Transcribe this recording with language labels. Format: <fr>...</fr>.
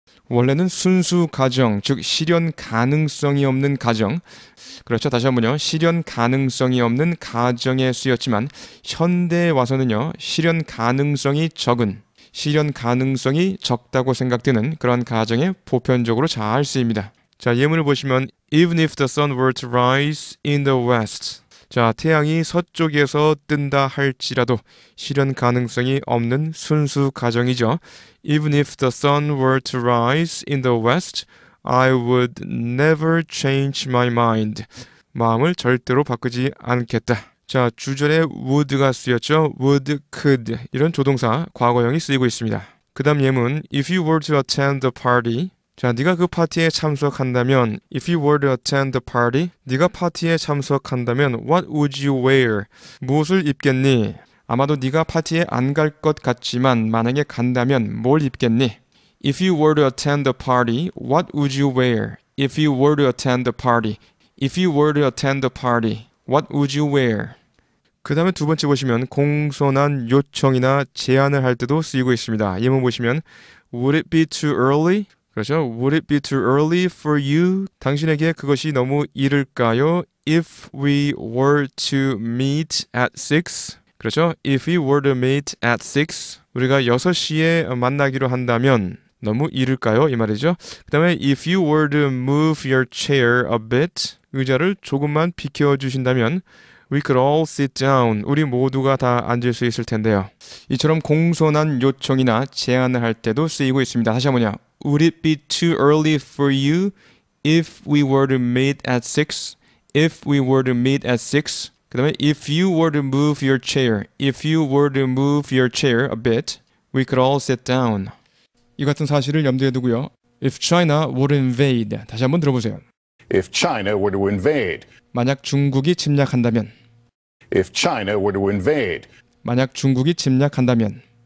<ko>원래는 순수 가정, 즉 실현 가능성이 없는 가정. 그렇죠. 다시 한번요. 실현 가능성이 없는 가정에 쓰였지만 현대에 와서는요. 실현 가능성이 적은, 실현 가능성이 적다고 생각되는 그런 가정에 보편적으로 잘 쓰입니다. 자, 예문을 보시면</ko> <en>Even if the sun were to rise in the west.</en> <ko>자, 태양이 서쪽에서 뜬다 할지라도 실현 가능성이 없는 순수 가정이죠.</ko> <en>Even if the sun were to rise in the west, I would never change my mind.</en> <ko>마음을 절대로 바꾸지 않겠다. 자, 주절에 would가 쓰였죠. would, could 이런 조동사, 과거형이 쓰이고 있습니다.</ko> <en>그 다음 예문, if you were to attend the party,</en> <ko>자, 네가 그 파티에 참석한다면,</ko> <en>if you were to attend the party,</en> <ko>네가 파티에 참석한다면,</ko> <en>what would you wear?</en> <ko>무엇을 입겠니? 아마도 네가 파티에 안 갈 것 같지만, 만약에 간다면 뭘 입겠니?</ko> <en>If you were to attend the party, what would you wear? If you were to attend the party, if you were to attend the party, what would you wear?</en> <ko>그 다음에 두 번째 보시면, 공손한 요청이나 제안을 할 때도 쓰이고 있습니다. 예문 보시면,</ko> <en>would it be too early?</en> <ko>그렇죠.</ko> <en>Would it be too early for you?</en> <ko>당신에게 그것이 너무 이를까요?</ko> <en>If we were to meet at 6.</en> <ko>그렇죠.</ko> <en>If we were to meet at 6.</en> <ko>우리가 6시에 만나기로 한다면 너무 이를까요? 이 말이죠. 그 다음에</ko> <en>If you were to move your chair a bit.</en> <ko>의자를 조금만 비켜 주신다면</ko> <en>We could all sit down.</en> <ko>우리 모두가 다 앉을 수 있을 텐데요. 이처럼 공손한 요청이나 제안을 할 때도 쓰이고 있습니다. 다시 한 번요.</ko> <en>Would it be too early for you if we were to meet at 6? If we were to meet at 6.</en> <ko>그 다음에</ko> <en>if you were to move your chair. If you were to move your chair a bit, we could all sit down.</en> <ko>이 같은 사실을 염두에 두고요.</ko> <en>If China would invade.</en> <ko>다시 한번 들어보세요.</ko> <en>If China were to invade.</en> <ko>만약 중국이 침략한다면.</ko> <en>If China were to invade.</en> <ko>만약 중국이 침략한다면.</ko>